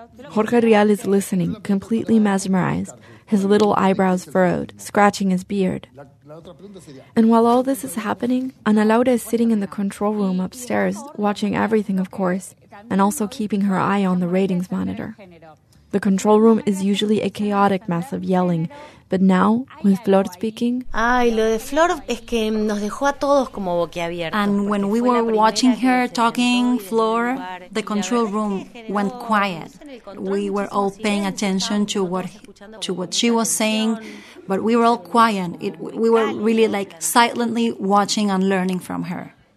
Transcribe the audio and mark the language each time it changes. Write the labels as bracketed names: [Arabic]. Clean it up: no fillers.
[English] Jorge Rial is listening, completely mesmerized, his little eyebrows furrowed, scratching his beard. And while all this is happening, Ana Laura is sitting in the control room upstairs, watching everything, of course, and also keeping her eye on the ratings monitor. The control room is usually a chaotic mess of yelling, but now, with Flor speaking... [Spanish] Ay, lo de Flor es que nos dejó a todos como boquiabierto. [English] And when we were watching her talking, Flor, the control room went quiet. We were all paying attention to what she was saying, but we were all quiet. We were really like silently watching and learning from her.